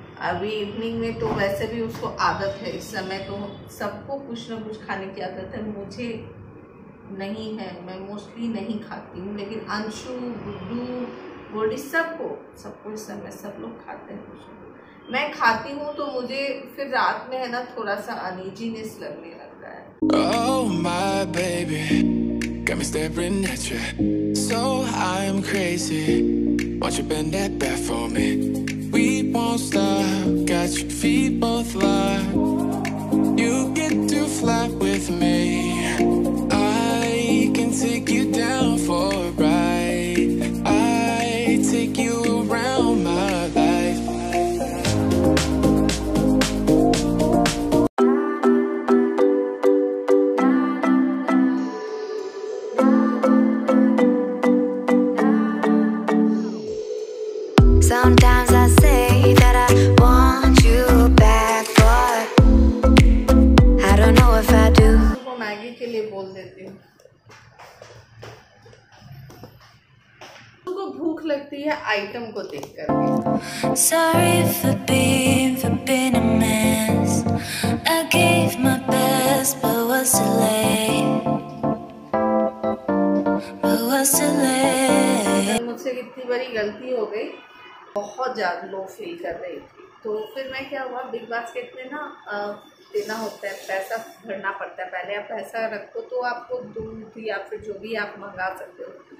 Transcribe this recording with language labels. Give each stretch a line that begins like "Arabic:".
Hindi: अभी इवनिंग में तो वैसे भी उसको आदत है, इस समय तो सबको कुछ ना कुछ खाने की आदत है, मुझे नहीं है, मैं मोस्टली नहीं खाती हूँ, लेकिन अंशु, गुड्डू, गोल्डी सबको इस समय सब लोग खाते हैं कुछ। मैं खाती हूँ तो मुझे फिर रात में है ना थोड़ा सा अनइजीनेस लगने लगता है।
English: Oh my baby, got me staring at you, so I'm crazy, won't you bend that back for me? We won't stop, got your feet both locked, you get to fly with me, I can take you down for a ride, I take you around my life. Sometimes I say that I want you back, but I don't know if I do.
Hindi: वो Maggi के लिए बोल देती हूँ। उसको भूख लगती है आइटम को देखकर।
English: Sorry for being a mess. I gave my best, but was too late.
Hindi: मुझसे कितनी बड़ी गलती हो गई, बहुत ज़्यादा लो फील कर रही थी। तो फिर मैं क्या हुआ, बिग बास्केट में ना देना होता है, पैसा भरना पड़ता है पहले। आप पैसा रखो तो आपको दूध या फिर जो भी आप मंगा सकते हो।